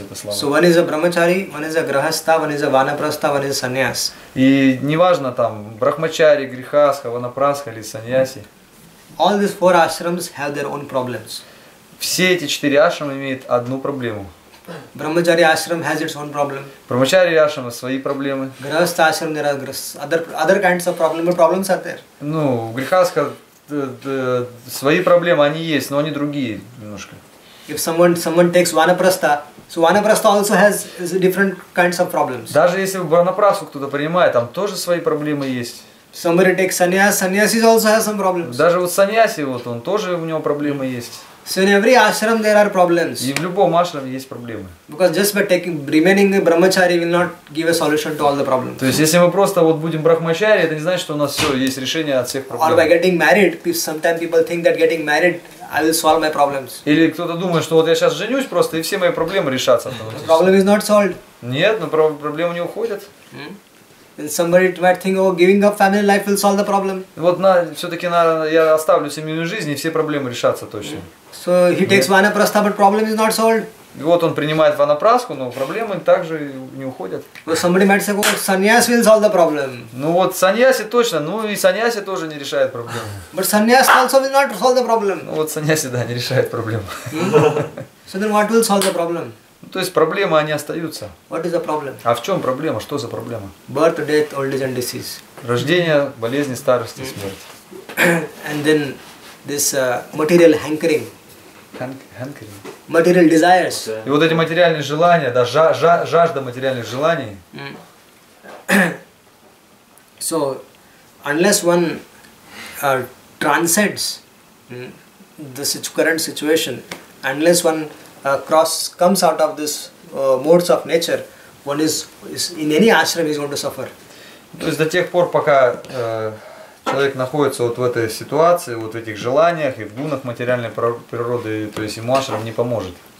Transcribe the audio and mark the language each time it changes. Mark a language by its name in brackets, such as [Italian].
[English] So one is a brahmachari, one is a grahastha, one is a vanaprastha, one is a sannyas. [Russian] И неважно там брахмачари, грихастха, ванапрастха или саньяси. [English] All these four ashrams have their own problems. [Russian] Все эти четыре ашрама имеют одну проблему. [English] Brahmachari ashram has its own problem. Brahmachari ashram has [Russian] свои проблемы. [English] Grahastha ashram there are other kinds of problems, but problems are there. [Russian] Ну, грихастха свои проблемы они есть, но они другие немножко. [English] If someone takes vanaprastha, so vanaprastha also has different kinds of problems. [Russian] Даже если vanaprastha кто-то принимает, там тоже свои проблемы есть. [English] Somebody takes sannyasi also has some problems. [Russian] Даже вот саньяси, вот он тоже у него проблемы есть. [English] So in every ashram there are problems. [Russian] И в любом ашраме есть проблемы. [English] Because just by remaining a brahmachari will not give a solution to all the problems. [Russian] То есть если мы просто вот будем брахмачари, это не значит, что у нас все есть решение от всех проблем. [English] Or by getting married, sometimes people think that getting married I will solve my problems. [Russian] Или кто-то думает, что вот я сейчас женюсь просто и все мои проблемы решатся. [English] Problem is not solved. [Russian] Нет, но проблемы не уходят. [English] Then somebody might think, oh, giving up family life will solve the problem. [Russian] Вот на все-таки на я оставлю семейную жизнь и все проблемы решатся точно. [English] So he takes vanaprastha, but problem is not solved. [Russian] И вот он принимает ванапрасху, но проблемы также не уходят. [English] Well, somebody might say, oh, sannyas will solve the problem. [Russian] Ну вот саньяси точно, ну и саньяси тоже не решает проблемы. [English] But sannyas also will not solve the problem. [Russian] Ну вот саньяси да не решает проблему. [English] So then what will solve the problem? [Russian] Ну, то есть проблемы они остаются. [English] What is the problem? [Russian] А в чем проблема? Что за проблема? [English] Birth, death, old age and disease. [Russian] Рождение, болезни, старость и смерть. [English] And then this material hankering. Hankering. Material desires. [Russian] И вот эти материальные желания, да, жажда материальных желаний. [English] So unless one transcends the current situation, unless one comes out of this modes of nature, one is in any ashram is going to suffer. [Russian] То есть до тех пор, пока человек находится вот в этой ситуации, вот в этих желаниях и в гунах материальной природы, то есть ему ашрам не поможет.